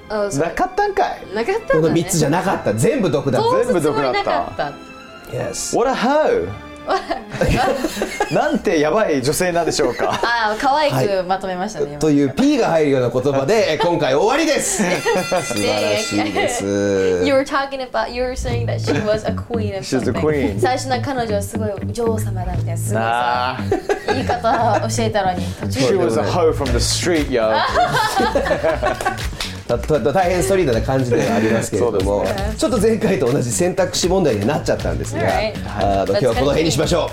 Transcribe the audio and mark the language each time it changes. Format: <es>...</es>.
<ja>Oh, なかったんかい？なかったんだね。この3つじゃなかった。全部毒だった。全部毒だった。</ja> <en>Yes. What a hoe!</en> <ja>なんてやばい女性なんでしょうか。ああ、可愛くまとめましたね、はい、という P が入るような言葉で今回終わりです。素晴らしいです。</ja> <en>You were talking about, you were saying that she was a queen of something. She's a queen.</en> <ja>最初の彼女はすごい女王様だったんです。すごい言い方教えたのに途中で。</ja> <en>She was a hoe from the street, yo.</en> <ja>大変ストリートな感じではありますけれども、ね、ちょっと前回と同じ選択肢問題になっちゃったんですが、</ja> <en>right.</en> <ja>今日はこの辺にしましょう。</ja>